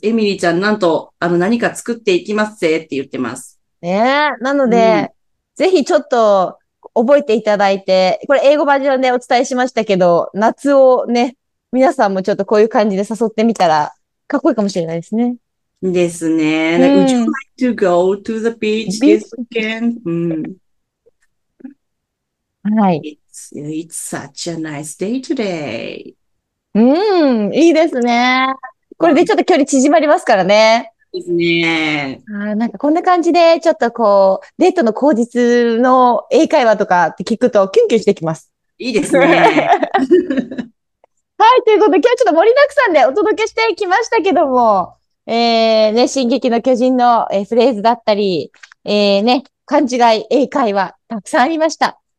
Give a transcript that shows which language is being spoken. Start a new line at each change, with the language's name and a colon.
Japanese: エミリーちゃん、なんと、何か作っていきますぜって言ってます。ねえ。なので、うん、ぜひちょっと、覚えていただいて、これ英語バージョンでお伝えしましたけど、夏をね、皆さんもちょっとこういう感じで誘ってみたら、かっこいいかもしれないですね。ですね。
English: うん、Would you like to go to the beach this weekend?
Japanese: うん。はい。
English: It's such a nice day today.
Japanese: いいですね。これでちょっと距離縮まりますからね。ですね。なんかこんな感じで、ちょっとこう、デートの口実の英会話とかって聞くとキュンキュンしてきます。いいですね。はい、ということで今日ちょっと盛りだくさんでお届けしてきましたけども、ね、進撃の巨人のフレーズだったり、ね、勘違い英会話たくさんありました。